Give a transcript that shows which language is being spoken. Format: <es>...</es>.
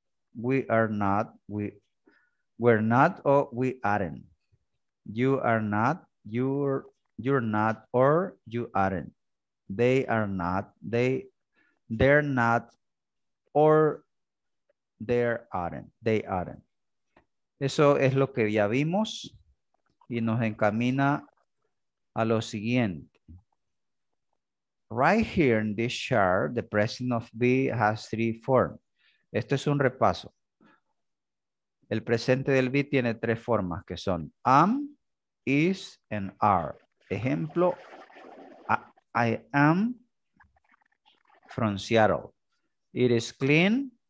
<en>We are not, we're not, or we aren't. You are not, you're not, or you aren't. They are not, they're not, or they aren't.</en> <es>Eso es lo que ya vimos y nos encamina a lo siguiente.</es> <en>Right here in this chart, the present of be has three forms.</en> <es>Esto es un repaso. El presente del be tiene tres formas que son am, is, and are.</es> <en>Ejemplo, I am from Seattle. It is clean.</en>